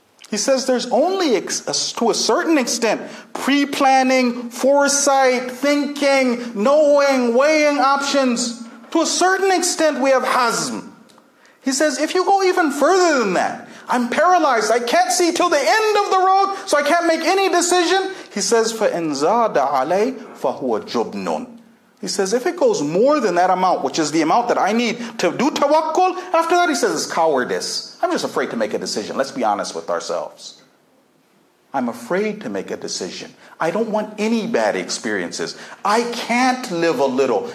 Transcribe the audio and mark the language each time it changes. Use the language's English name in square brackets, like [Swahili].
[English] He says there's only, to a certain extent, pre-planning, foresight, thinking, knowing, weighing options. To a certain extent, we have hazm. He says, if you go even further than that, I'm paralyzed. I can't see till the end of the road, so I can't make any decision. He says, [Arabic] فَإِنْ زَادَ عَلَيْهِ فَهُوَ جُبْنٌ. [English] He says, if it goes more than that amount, which is the amount that I need to do tawakkul, after that, he says, it's cowardice. I'm just afraid to make a decision. Let's be honest with ourselves. I'm afraid to make a decision. I don't want any bad experiences. I can't live a little.